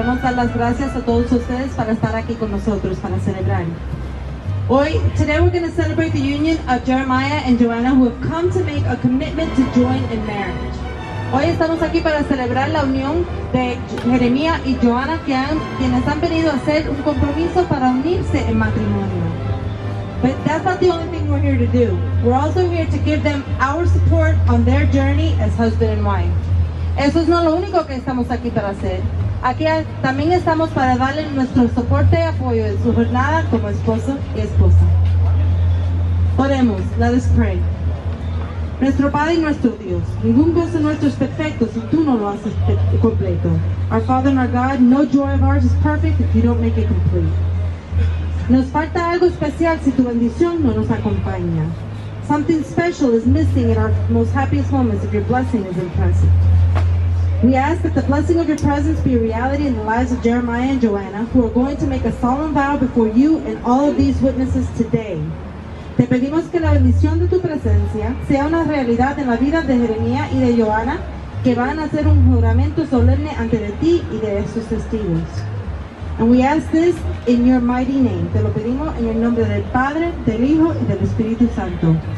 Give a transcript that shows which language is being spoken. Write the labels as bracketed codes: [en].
[es] Las gracias a todos ustedes para estar aquí con nosotros para celebrar. [en] Hoy, today we're going to celebrate the union of Jeremiah and Joanna, who have come to make a commitment to join in marriage. [es] Hoy estamos aquí para celebrar la unión de Jeremiah y Joanna, quienes han venido a hacer un compromiso para unirse en matrimonio. [en] But that's not the only thing we're here to do. We're also here to give them our support on their journey as husband and wife. [es] Eso es no lo único que estamos aquí para hacer. Aquí también estamos para darle nuestro soporte y apoyo en su jornada como esposo y esposa. Oremos, [en] let us pray. [es] Nuestro Padre y nuestro Dios, ningún gozo nuestro es perfecto si tú no lo haces completo. [en] Our Father and our God, no joy of ours is perfect if you don't make it complete. [es] Nos falta algo especial si tu bendición no nos acompaña. [en] Something special is missing in our most happiest moments if your blessing isn't present. We ask that the blessing of your presence be a reality in the lives of Jeremiah and Joanna, who are going to make a solemn vow before you and all of these witnesses today. [es] Te pedimos que la bendición de tu presencia sea una realidad en la vida de Jeremías y de Johanna, que van a hacer un juramento solemne ante de ti y de sus testigos. [en] And we ask this in your mighty name. [es] Te lo pedimos en el nombre del Padre, del Hijo y del Espíritu Santo.